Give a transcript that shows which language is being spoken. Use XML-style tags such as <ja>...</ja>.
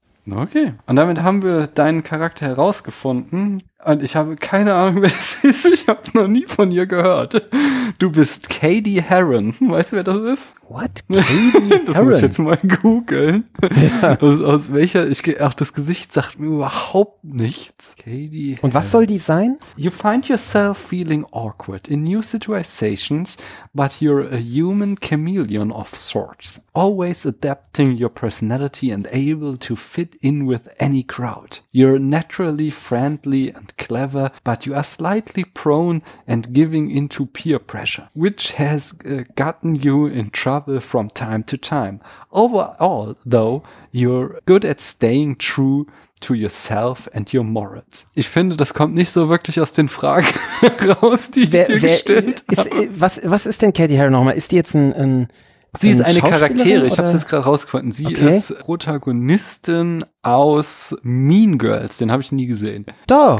<de>Okay, und damit haben wir deinen Charakter herausgefunden und ich habe keine Ahnung, wer das ist, ich habe es noch nie von ihr gehört. Du bist Katie Herron, weißt du, wer das ist?</de> <en>What?</en> <de>Das muss ich jetzt mal googeln. Ja. Das Gesicht sagt mir überhaupt nichts. Katie Herron. Und was soll die sein?</de> <en>You find yourself feeling awkward in new situations, but you're a human chameleon of sorts, always adapting your personality and able to fit in with any crowd. You're naturally friendly and clever, but you are slightly prone and giving into peer pressure, which has gotten you in trouble from time to time. Overall, though, you're good at staying true to yourself and your morals.</en> <de>Ich finde, das kommt nicht so wirklich aus den Fragen raus, die ich dir gestellt habe. Was ist denn Katie Herron nochmal? Ist die jetzt ein Sie ist eine Charaktere, oder? Ich habe es jetzt gerade rausgefunden. Sie okay. ist Protagonistin aus Mean Girls, den habe ich nie gesehen. Doch.</de>